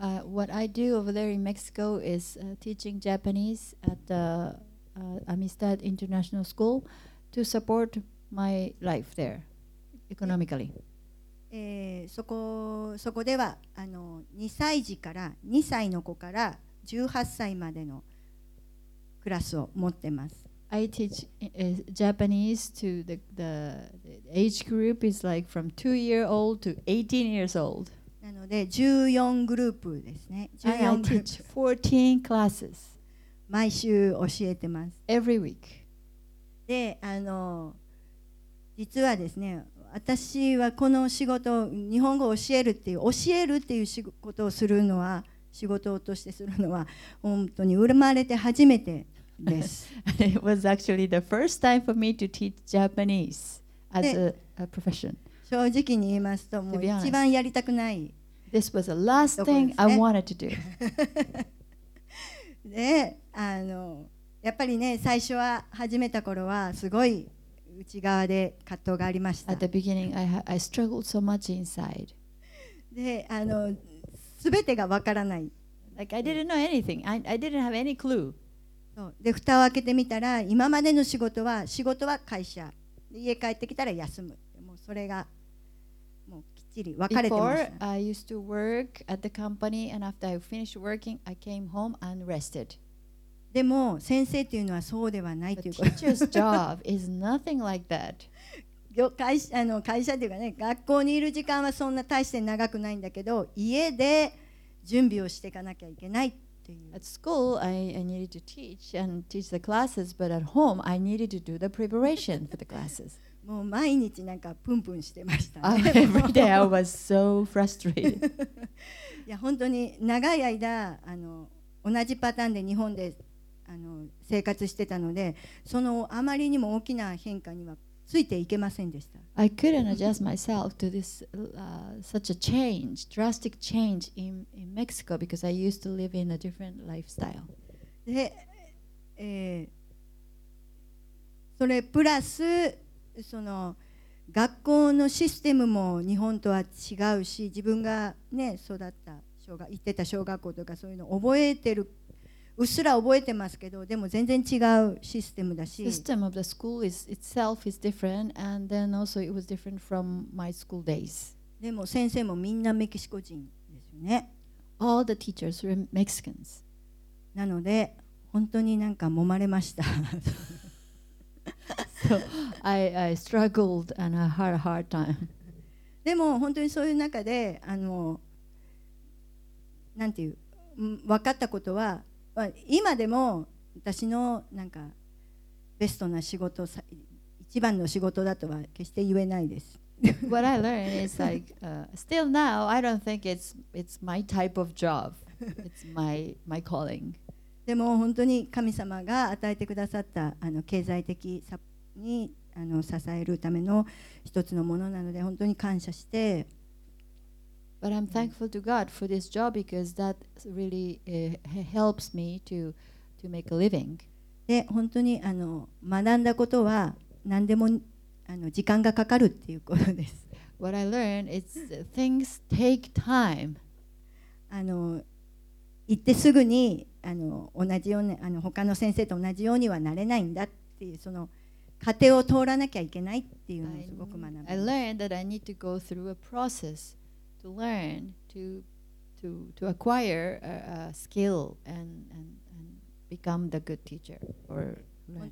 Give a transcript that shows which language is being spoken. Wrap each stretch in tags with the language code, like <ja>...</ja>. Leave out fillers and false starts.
<en>What I do over there in Mexico is teaching Japanese at the Amistad International School to support my life there economically.</en> <ja>そこでは2歳児から2歳の子から18歳までのクラスを持ってます。</ja> <en>I teach Japanese to the age group is like from 2 years old to 18 years old.</en> <ja>なので14グループですね。</ja> <en>I teach 14 classes.</en> <ja>毎週教えてます。</ja> <en>Every week.</en> <ja>で、実はですね、私はこの仕事、日本語を教えるっていう仕事をするのは、仕事としてするのは本当に生まれて初めて。</ja> <en>Yes. It was actually the first time for me to teach Japanese as a profession.</en> <ja>正直に言いますと、もう一番やりたくない。</ja> <en>This was the last thing I wanted to do.</en> <ja>で、やっぱりね、最初は始めた頃はすごい内側で葛藤がありました。</ja> <en>At the beginning, I struggled so much inside.</en> <ja>で、すべてがわからない。</ja> <en>Like I didn't know anything. I didn't have any clue.</en> <ja>で蓋を開けてみたら、今までの仕事は会社で、家帰ってきたら休む、もうそれがもうきっちり分かれてました。</ja> <en>Before I used to work at the company and after I finished working I came home and rested.</en> <ja>でも先生というのはそうではないという。</ja> <en>The teacher's job is nothing like that.</en> <ja>会社というかね、学校にいる時間はそんな大して長くないんだけど、家で準備をしていかなきゃいけない。</ja> <en>At school, I needed to teach and teach the classes, but at home, I needed to do the preparation for the classes.</en> <ja>もう毎日なんかプンプンしてましたね。</ja> <en>Every day, I was so frustrated.</en> <ja>いや、本当に長い間同じパターンで日本で生活してたので、そのあまりにも大きな変化にはついていけませんでした。</ja> <en>I couldn't adjust myself to this such a change, drastic change in Mexico because I used to live in a different lifestyle.</en> <ja>で、それプラスその学校のシステムも日本とは違うし、自分がね育った行ってた小学校とかそういうの覚えてる。うっすら覚えてますけど、でも全然違うシステムだし。</ja> <en>System of the school is itself is different, and then also it was different from my school days.</en> <ja>でも先生もみんなメキシコ人ですよね。</ja> <en>All the teachers were Mexicans.</en> <ja>なので本当になんか揉まれました。</ja> <en>So I struggled and I had a hard time.</en> <ja>でも本当にそういう中で分かったことは。今でも私のなんかベストな仕事、一番の仕事だとは決して言えないです。</ja> <en>What I learned is like, still now, I don't think it's my type of job. It's my calling.</en> <ja>でも本当に神様が与えてくださった経済的に支えるための一つのものなので、本当に感謝して</ja> <en>But I'm thankful to God for this job because that really helps me to make a living.</en> <ja>で本当にあの学んだことは何でもあの時間がかかるっていうことです。</ja> <en>What I learned is things take time.</en> <ja>あの行ってすぐにあの同じようなあの他の先生と同じようにはなれないんだっていうその過程を通らなきゃいけないっていうのをすごく学んだ。</ja> <en>I learned that I need to go through a process to learn to acquire a skill and become the good teacher or learn.</en>